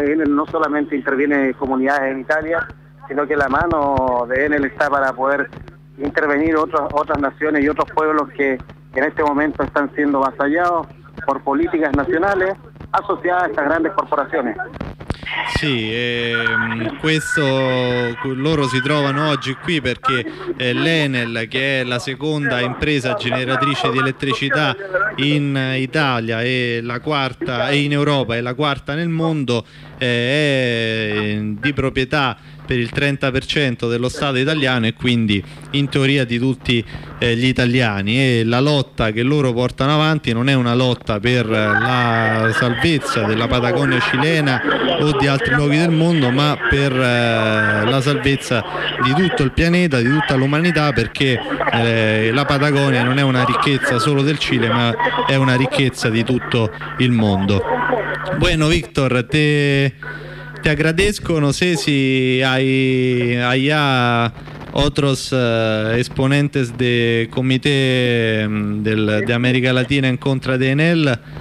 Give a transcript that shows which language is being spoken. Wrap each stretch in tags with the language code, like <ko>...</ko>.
<es>Enel no solamente interviene en comunidades en Italia, sino que la mano de Enel está para poder intervenir otras naciones y otros pueblos que en este momento están siendo vasallados por políticas nacionales asociadas a estas grandes corporaciones.</es> <it>Sì, questo loro si trovano oggi qui perché l'Enel, che è la seconda impresa generatrice di elettricità in Italia e la quarta e in Europa e la quarta nel mondo, è di proprietà per il 30% dello Stato italiano e quindi in teoria di tutti gli italiani, e la lotta che loro portano avanti non è una lotta per la salvezza della Patagonia cilena o di altri luoghi del mondo, ma per la salvezza di tutto il pianeta, di tutta l'umanità, perché la Patagonia non è una ricchezza solo del Cile, ma è una ricchezza di tutto il mondo.</it> <es>Bueno, Victor, te agradezco, no sé si hay allá otros exponentes de comité de América Latina en contra de Enel,</es>